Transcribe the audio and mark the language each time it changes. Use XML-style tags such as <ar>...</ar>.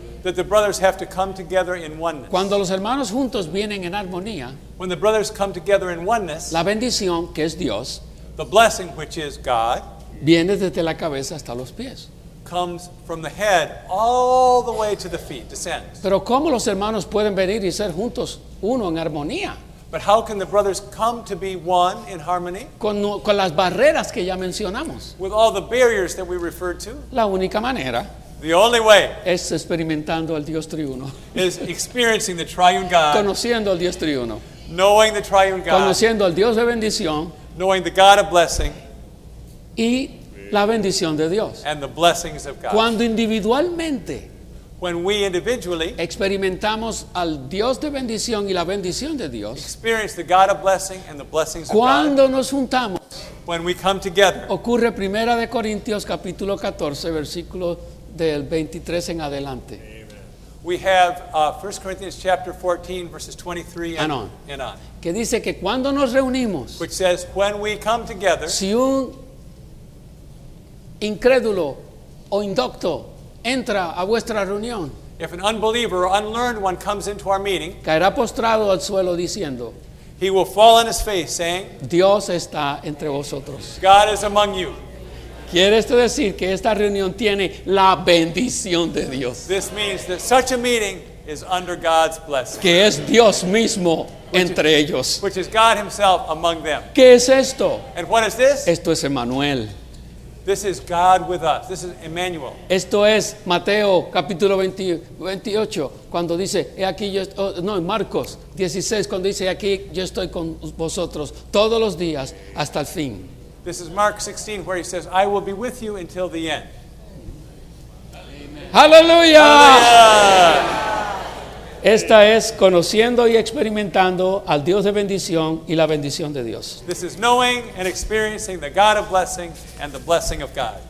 <en>That the brothers have to come together in oneness.</en> <es>Cuando los hermanos juntos vienen en armonía,</es> <en>when the brothers come together in oneness,</en> <es>la bendición, que es Dios,</es> <en>the blessing, which is God,</en> <es>viene desde la cabeza hasta los pies.</es> <en>Comes from the head all the way to the feet, descends.</en> <es>Pero ¿cómo los hermanos pueden venir y ser juntos uno en armonía?</es> <en>But how can the brothers come to be one in harmony?</en> <es>Con las barreras que ya mencionamos.</es> <en>With all the barriers that we referred to.</en> <es>La única manera.</es> <en>The only way.</en> <es>Es experimentando al Dios triuno.</es> <en>Is experiencing the triune God.</en> <es>Conociendo al Dios triuno.</es> <en>Knowing the triune God.</en> <es>Conociendo al Dios de bendición.</es> <en>Knowing the God of blessing.</en> <es>Y la bendición de Dios.</es> <en>And the blessings of God.</en> <es>Cuando individualmente.</es> <en>When we individually</en> <es>experimentamos al Dios de bendición y la bendición de Dios,</es> <en>experience the God of blessing and the blessings of God.</en> <es>Cuando nos juntamos,</es> <en>when we come together,</en> <es>ocurre 1 de Corintios capítulo 14 versículo del 23 en adelante.</es> <en>Amen. We have 1 Corinthians chapter 14 verses 23 and on.</en> <es>Que dice que cuando nos reunimos,</es> <en>which says when we come together,</en> <es>si un incrédulo o indocto entra a vuestra reunión,</es> <en>if an unbeliever or unlearned one comes into our meeting,</en> <es>caerá postrado al suelo diciendo,</es> <en>he will fall on his face saying,</en> <es>Dios está entre vosotros.</es> <en>God is among you.</en> <es>¿Quiere esto decir que esta reunión tiene la bendición de Dios?</es> <en>This means that such a meeting is under God's blessing.</en> <es>Que es Dios mismo entre ellos.</es> <en>Which is God himself among them.</en> <es>¿Qué es esto?</es> <en>And what is this?</en> <es>Esto es Emmanuel.</es> <en>This is God with us. This is Emmanuel.</en> <es>Esto es Mateo capítulo 28 cuando dice, he aquí yo estoy, no, Marcos 16 cuando dice, he aquí yo estoy con vosotros todos los días hasta el fin.</es> <en>This is Mark 16 where he says, I will be with you until the end. Hallelujah. Hallelujah.</en> <es>Esta es conociendo y experimentando al Dios de bendición y la bendición de Dios.</es> <en>This is knowing and experiencing the God of blessing and the blessing of God.</en>